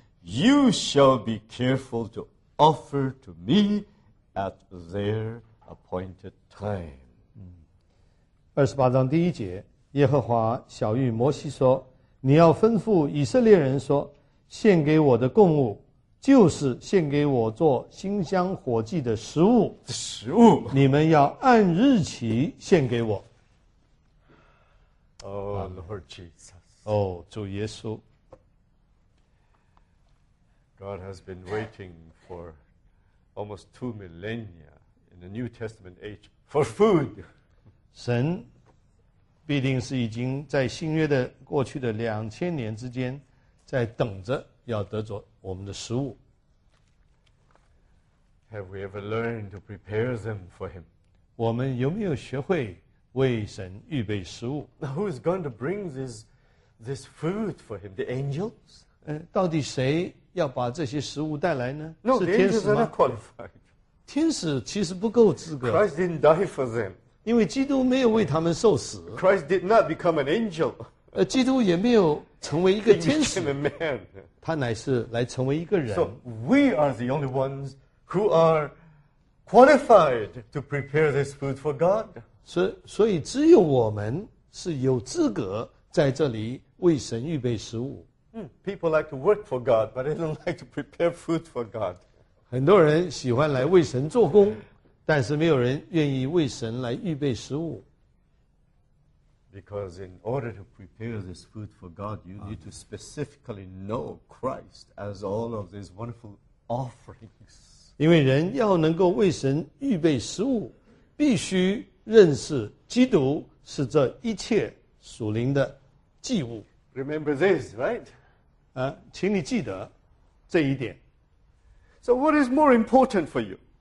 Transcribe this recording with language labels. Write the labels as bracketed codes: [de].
[en] You shall be careful to offer to me at their appointed time. [zh] 二十八章第一节，耶和华晓谕摩西说：“你要吩咐以色列人说，献给我的供物，就是献给我做馨香火祭的食物。食物，你们要按日期献给我。” [en] Oh Lord Jesus. [zh] 哦，主耶稣。 [en] God has been waiting for almost 2 millennia in the New Testament age for food. [zh] 神必定是已经在新约的过去的2000年之间，在等着要得着我们的食物。 [en] Have we ever learned to prepare them for Him? [zh] 我们有没有学会为神预备食物 [en] ？Now who is going to bring this food for Him? The angels? [zh] 到底谁？要把这些食物带来呢？ [en] No, [zh] 是天使吗？ [en] Angels are not qualified. [zh] 天使其实不够资格。 [en] Christ didn't die for them. [zh] 因为基督没有为他们受死。 [en] Christ did not become an angel. [zh] 基督也没有成为一个天使。 [en] He became a man. [zh] 他乃是来成为一个人。 [en] So we are the only ones who are qualified to prepare this food for God. [zh] 所以只有我们是有资格在这里为神预备食物。 [en] People like to work for God, but they don't like to prepare food for God. [zh] 很多人喜欢来为神做工，但是没有人愿意为神来预备食物。 [en] Because in order to prepare this food for God, you need to specifically know Christ as all of these wonderful offerings. [zh] 因为人要能够为神预备食物，必须认识基督是这一切属灵的祭物。 [en] Remember this, right? [zh] 请你记得这一点。 [en] So what is more important for you?